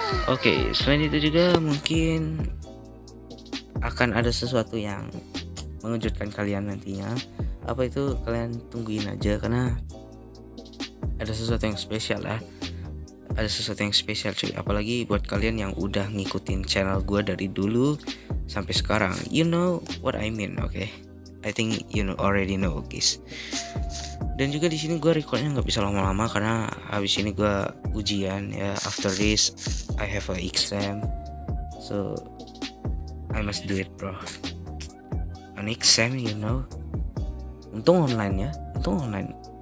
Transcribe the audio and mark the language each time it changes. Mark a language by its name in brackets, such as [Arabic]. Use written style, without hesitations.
[Indonesian] Oke, selain itu juga mungkin akan ada sesuatu yang mengejutkan kalian nantinya. Apa itu kalian tungguin aja karena ada sesuatu yang spesial lah. Ada sesuatu yang spesial cuy, apalagi buat kalian yang udah ngikutin channel gue dari dulu sampai sekarang. [English] You know what I mean, okay? I think you know, already know, guys. [Indonesian] Dan juga di sini gue recordnya nggak bisa lama-lama karena habis ini gue ujian ya. [English] After this, I have a exam, so I must do it, bro. An exam, you know. [Indonesian] Untung online ya, untung online.